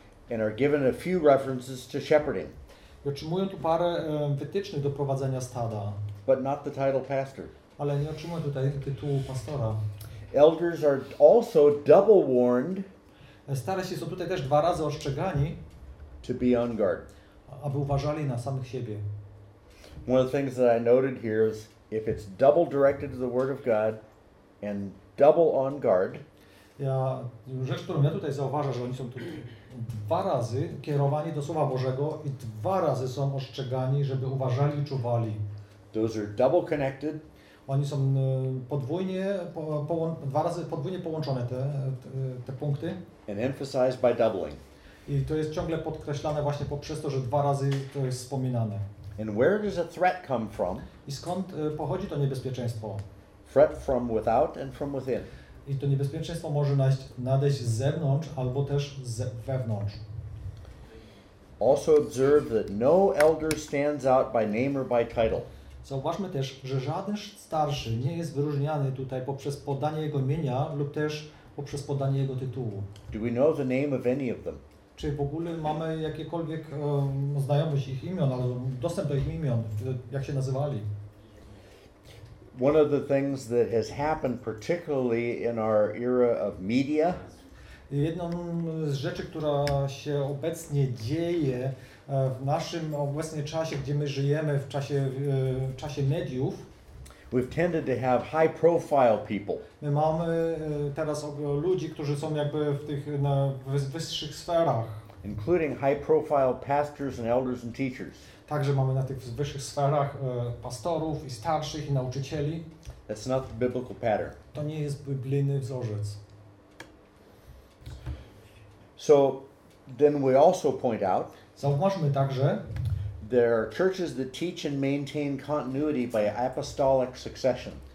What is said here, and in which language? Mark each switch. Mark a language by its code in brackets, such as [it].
[en] And are given a few references to shepherding. [pl] I otrzymują tu parę wytycznych do prowadzenia stada. [en] But not the title pastor. [pl] Ale nie otrzymują tutaj tytułu pastora. [en] Elders are also double warned. [pl] Starsi są tutaj też dwa razy ostrzegani, [en] to be on guard. [pl] Aby uważali na samych siebie. [en] One of the things that I noted here is if it's double directed to the word of God and double on guard. [pl] Ja, rzecz, którą ja tutaj zauważam, że oni są tu dwa razy kierowani do Słowa Bożego i dwa razy są ostrzegani, żeby uważali i czuwali. [en] Those are double connected. [pl] Oni są podwójnie, dwa razy podwójnie połączone te punkty. [en] And emphasized by doubling. [pl] I to jest ciągle podkreślane właśnie poprzez to, że dwa razy to jest wspominane. [en] And where does a threat come from? [pl] I skąd pochodzi to niebezpieczeństwo? [en] Threat from without and from within. [pl] I to niebezpieczeństwo może nadejść z zewnątrz albo też z wewnątrz. [en] Also observe that no elder stands out by name or by title. [pl] Zauważmy też, że żaden starszy nie jest wyróżniany tutaj poprzez podanie jego imienia lub też poprzez podanie jego tytułu. [en] Do we know the name of any of them? [pl] Czy w ogóle mamy jakiekolwiek znajomość ich imion, albo dostęp do ich imion, jak się nazywali? [en] One of the things that has happened particularly in our era of media. [pl] Jedną z rzeczy, która się obecnie dzieje w naszym obecnym czasie, gdzie my żyjemy w czasie mediów. [en] We've tended to have high profile people. [pl] My mamy teraz ludzi, którzy są jakby w tych na wyższych sferach. [en] Including high profile pastors and elders and teachers. [pl] Także mamy na tych wyższych sferach pastorów i starszych i nauczycieli. [en] That's not the biblical pattern. [pl] To nie jest biblijny wzorzec. [en] So then we also point out. [pl] Zauważmy także. [en] There are churches that teach and maintain continuity by apostolic succession.